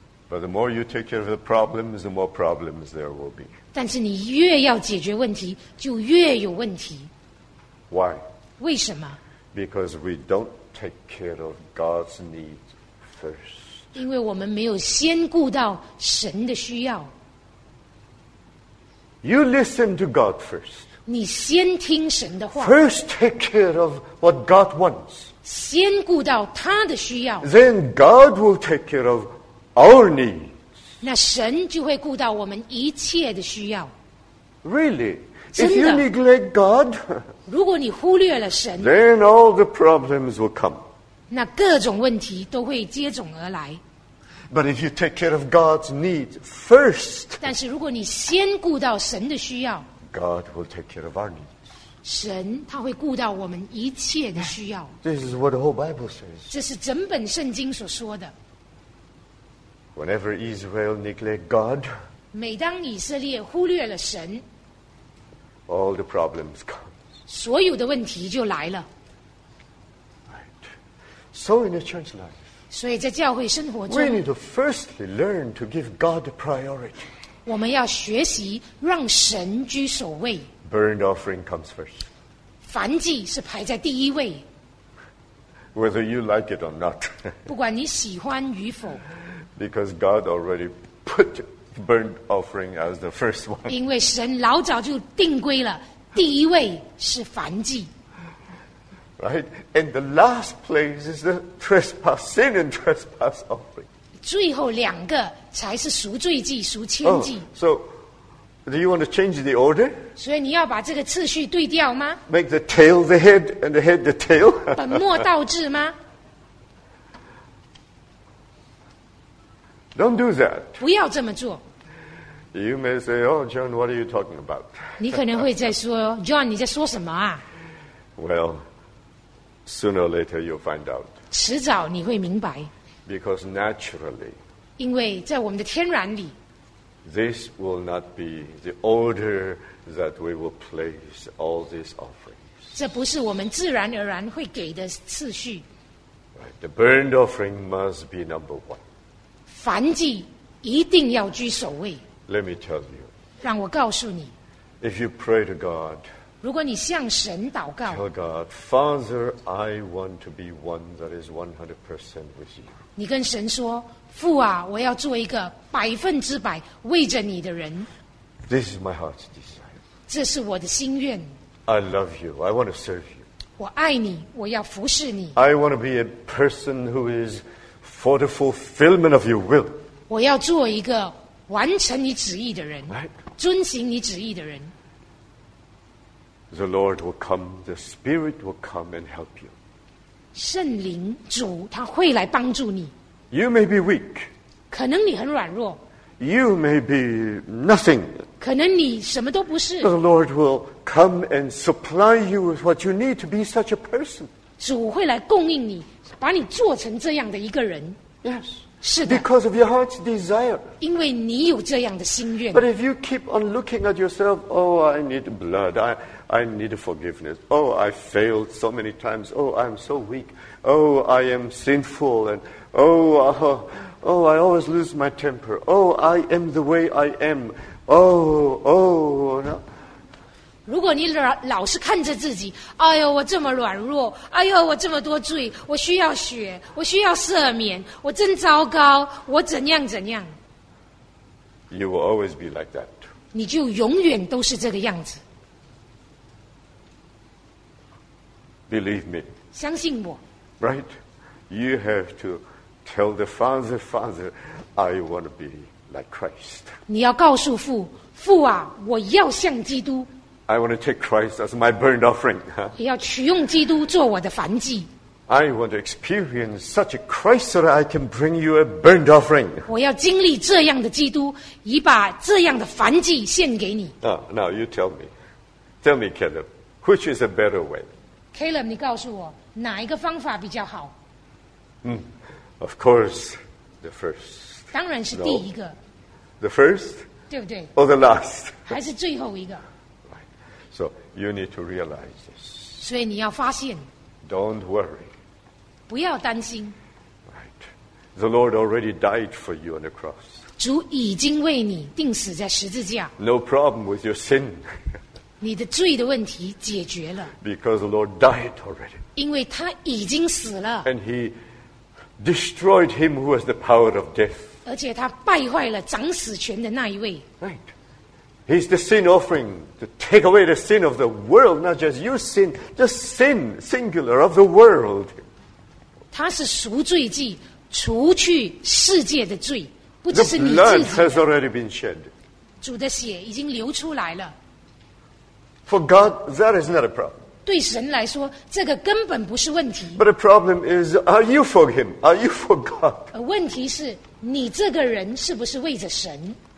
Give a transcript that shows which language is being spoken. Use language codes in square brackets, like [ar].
[en] But the more you take care of the problems, the more problems there will be. [zh] 但是你越要解决问题，就越有问题。 [en] Why? [zh] 为什么? [en] Because we don't take care of God's needs. First, [zh] 因为我们没有先顾到神的需要。 [en] You listen to God first. [zh] 你先听神的话。 [en] First, take care of what God wants. [zh] 先顾到他的需要。 [en] Then God will take care of our needs. [zh] 那神就会顾到我们一切的需要。 [en] Really? If you neglect God, [zh] 如果你忽略了神, [en] then all the problems will come. [zh] 那各种问题都会接踵而来。 [en] But if you take care of God's need first, [zh] 但是如果你先顾到神的需要， [en] God will take care of our needs. [zh] 神他会顾到我们一切的需要。 [en] This is what the whole Bible says. [zh] 这是整本圣经所说的。 [en] Whenever Israel neglect God, [zh] 每当以色列忽略了神， [en] all the problems come. [zh] 所有的问题就来了。 [en] So in a church life, [zh] 所以在教会生活中 [en] we need to firstly learn to give God a priority. [zh] 我们要学习让神居首位。 [en] Burnt offering comes first. [zh] 燔祭是排在第一位。 [en] Whether you like it or not. [zh] 不管你喜欢与否。 [en] Because God already put burnt offering as the first one. [zh] 因为神老早就定规了，第一位是燔祭。 [en] Right, and the last place is the trespass, sin and trespass offering. [zh] 最后两个才是赎罪祭、赎愆祭。 [en] So, do you want to change the order? [zh] 所以你要把这个次序对调吗? [en] Make the tail the head and the head the tail. [zh] 本末倒置吗? [en] Don't do that. [zh] 不要这么做。 [en] You may say, "Oh, John, what are you talking about?" [zh] 你可能会在说 ，John， 你在说什么啊 [en] ？Well. Sooner or later, you'll find out. [zh] 迟早你会明白。 [en] Because naturally, [zh] 因为在我们的天然里， [en] this will not be the order that we will place all these offerings. [zh] 这不是我们自然而然会给的次序。 [en] Right, the burnt offering must be number one. [zh] 燔祭一定要居首位。 [en] Let me tell you. [zh] 让我告诉你。 [en] If you pray to God. [zh] 如果你向神祷告 [en] Tell God, Father, I want to be one that is 100% with you. [zh] 你跟神说父啊我要做一个百分之百为着你的人 [en] This is my heart's desire. [zh] 这是我的心愿 [en] I love you. I want to serve you. [zh] 我爱你我要服侍你 [en] I want to be a person who is for the fulfillment of your will. [zh] 我要做一个完成你旨意的人、 [en] right? [zh] 遵行你旨意的人 [en] The Lord will come, the Spirit will come and help you. [zh] 圣灵主他会来帮助你。 [en] You may be weak. [zh] 可能你很软弱。 [en] You may be nothing. [zh] 可能你什么都不是。 [en] The Lord will come and supply you with what you need to be such a person. [zh] 主会来供应你，把你做成这样的一个人。 [en] Yes. [zh] 是的 [en] Because of your heart's desire. [zh] 因为你有这样的心愿。 [en] But if you keep on looking at yourself, oh, I need blood. I need forgiveness. Oh, I failed so many times. Oh, I'm so weak. Oh, I am sinful. And oh, I always lose my temper. Oh, I am the way I am. No. [zh] 如果你老是看着自己，哎呦，我这么软弱，哎呦，我这么多罪，我需要血，我需要赦免，我真糟糕，我怎样怎样。 [en] You will always be like that. [zh] 你就永远都是这个样子。 [en] Believe me. [zh] 相信我。 [en] Right? You have to Tell the Father, Father, I want to be like Christ. [zh] 你要告诉父，父啊，我要像基督。 [en] I want to take Christ as my burnt offering. [zh] 也要取用基督做我的燔祭。 [en] I want to experience such a Christ so that I can bring you a burnt offering. [zh] 我要经历这样的基督，以把这样的燔祭献给你。 [en] Now you tell me. Tell me, Caleb, which is a better way? [zh] Caleb, 你告诉我，哪一个方法比较好？ [en] Of course, the first. [zh] 当然是第一个。 [en] The first? [zh] 对不对 [en] ？Or the last? [zh] 还是最后一个。 [en] So you need to realize this. [zh] 所以你要发现。 [en] Don't worry. [zh] 不要担心。 [en] Right. The Lord already died for you on the cross. [zh] 主已经为你钉死在十字架。 [en] No problem with your sin. [zh] 你的罪的问题解决了。 [en] Because the Lord died already. [zh] 因为他已经死了。 [en] And he destroyed him who has the power of death. [zh] 而且他败坏了掌死权的那一位。 [en] Right. He's the sin offering to take away the sin of the world, not just your sin, the sin, singular, of the world. [zh] 他是赎罪祭，除去世界的罪，不只是你自己。 [en] The blood has already been shed. [zh] 主的血已经流出来了。 [en] For God, that is not a problem. [zh] 对神来说，这个根本不是问题。 [en] But the problem is, are you for him? Are you for God? [zh] 问题是，你这个人是不是为着神？